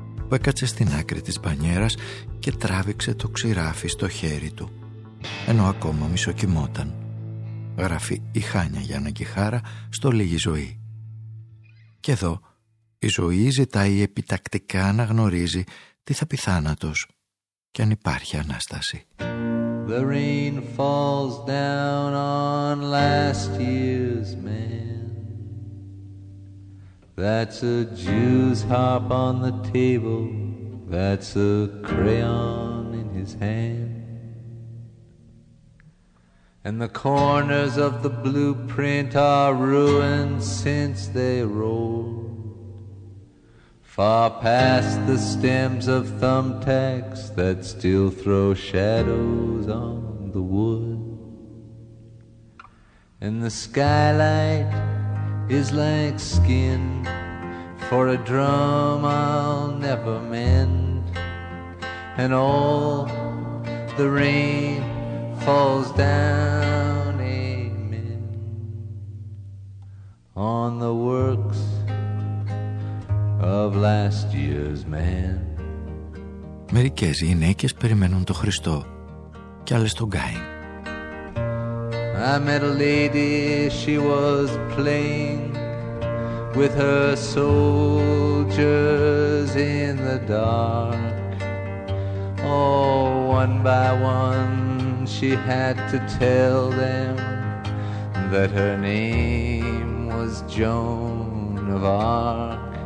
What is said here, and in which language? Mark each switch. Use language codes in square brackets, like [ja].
[el] που έκατσε στην άκρη της μπανιέρας και τράβηξε το ξηράφι στο χέρι του, ενώ ακόμα μισοκοιμόταν. Γράφει η Χάνια Γιάννα Κιχάρα στο «Λίγη ζωή». Και εδώ η ζωή ζητάει επιτακτικά να γνωρίζει τι θα πει θάνατος και αν υπάρχει Ανάσταση. [en] The rain falls down on last year's man. That's a Jew's harp on the table. That's a crayon in his hand. And the corners of the blueprint are ruined since they rolled. Far past the stems of thumbtacks that still throw shadows on the wood. And the skylight is like skin for a drum I'll never mend. And all the rain falls down, amen, on the works of last year's man. [el] Μερικές γυναίκες περιμένουν τον Χριστό και άλλες τον Κάιν. [en] I met a lady, she was playing with her soldiers in the dark. Oh, one by one she had to tell them that her name was Joan of Arc.